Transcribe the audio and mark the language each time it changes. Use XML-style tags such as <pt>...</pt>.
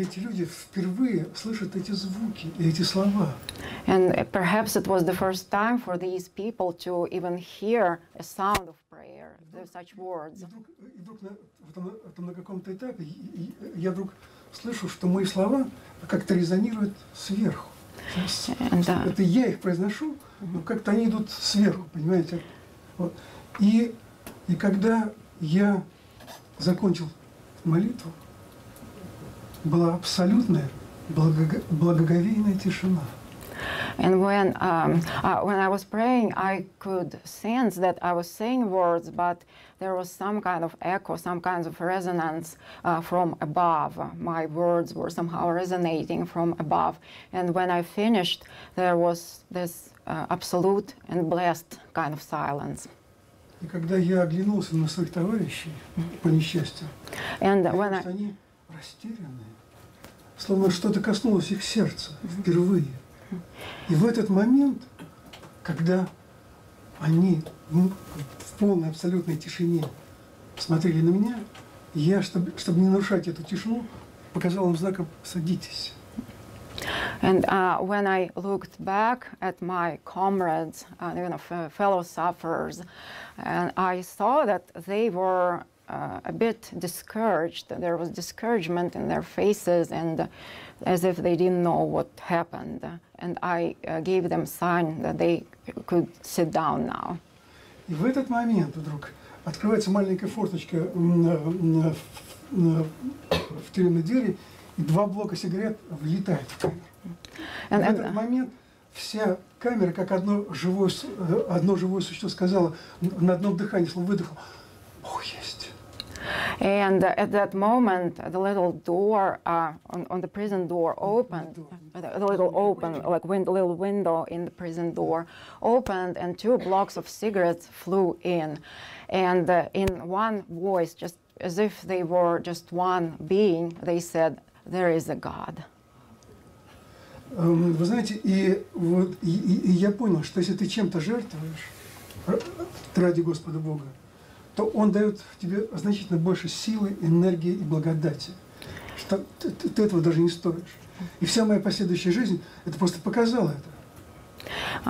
<ru>И эти люди впервые слышат эти звуки и эти слова.</ru> <en>And perhaps it was the first time for these people to even hear a sound of prayer, such words.</en> <ru>Вдруг на каком-то этапе я вдруг слышу, что мои слова как-то резонируют сверху. Это я их произношу, но как-то они идут сверху, понимаете? Вот. И когда я закончил молитву, была абсолютная благоговейная тишина.</ru> <en>And when I was praying, I could sense that I was saying words, but there was some kind of echo, some kind of resonance from above. My words were somehow resonating from above. And when I finished, there was this absolute and blessed kind of silence.</en> <ru>И когда я оглянулся на своих товарищей по несчастью, они растерянные, словно что-то коснулось их сердца впервые. И в этот момент, когда они в полной абсолютной тишине смотрели на меня, я, чтобы не нарушать эту тишину, показал им знаком «садитесь».</ru> <en>And when I looked back at my comrades, fellow sufferers, and I saw that they were a bit discouraged, there was discouragement in their faces, and as if they didn't know what happened. And I gave them sign that they could sit down now.</en> <ru>И в этот момент вдруг открывается маленькая форточка в тюремной двери, и два блока сигарет влетают в камеру. И в этот момент в вся камера, как одно живое существо сказала, на одном дыхании, словно выдохло, Бог есть.</ru> <en>And at that moment, the little door on the prison door opened, the little window in the prison door opened, and two blocks of cigarettes flew in. And in one voice, just as if they were just one being, they said, there is a God.</en> <ru>Вы знаете, и вот и я понял, что если ты чем-то жертвуешь ради Господа Бога, то Он дает тебе значительно больше силы, энергии и благодати, что ты этого даже не стоишь. И вся моя последующая жизнь это просто показала это.</ru>